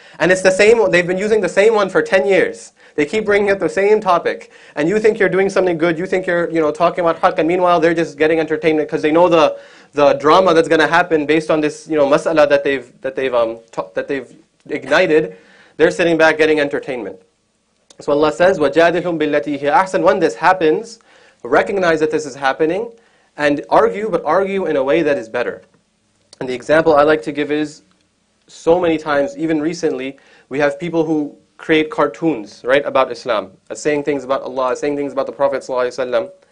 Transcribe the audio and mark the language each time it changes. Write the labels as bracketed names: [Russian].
[English] And it's the same, they've been using the same one for 10 years. They keep bringing up the same topic. And you think you're doing something good. You think you're, you know, talking about haq. And meanwhile, they're just getting entertainment because they know the drama that's going to happen based on this, you know, mas'ala that they've ignited. They're sitting back getting entertainment. So Allah says, [Arabic] وَجَادِلْهُمْ بِالَّتِي هِيَ أَحْسَنُ. [English] When this happens, recognize that this is happening. And argue, but argue in a way that is better. And the example I like to give is, so many times, even recently, we have people who create cartoons, right, about Islam, saying things about Allah, saying things about the Prophet ﷺ.